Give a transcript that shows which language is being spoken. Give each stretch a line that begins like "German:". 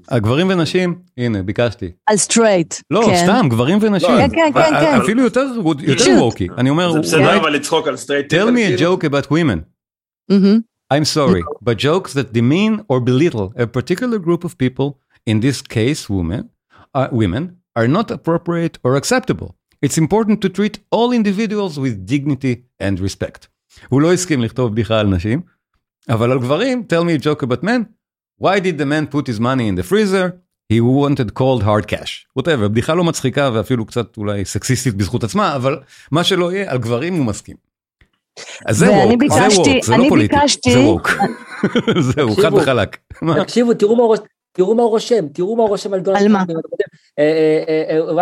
Hebrew: הגברים ונשים, הנה, ביקשתי. על straight. לא, סתם, גברים ונשים. כן. אפילו יותר ווקי. אני אומר, זה בסדר, אבל לצחוק על straight
English: people. Tell me a joke about women. I'm sorry, but jokes that demean or belittle a particular group of people, in this case women, are not appropriate or acceptable. It's important to treat all individuals with dignity and respect.
Hebrew: הוא לא הסכים לכתוב בדיחה על נשים, אבל על גברים,
English: tell me a joke about men. Why did the man put his money in the freezer? He wanted cold hard cash.
Hebrew: Whatever, בדיחה לא מצחיקה ואפילו קצת אולי סקסיסטית בזכות עצמה, אבל מה שלא יהיה, על גברים הוא מסכים. אז זה ווק, זה ווק, זה לא פוליטי, זה ווק, זהו, חד וחלק. תקשיבו, תראו מה הוא רושם, תראו מה הוא רושם על דונלד טראמפ. על מה?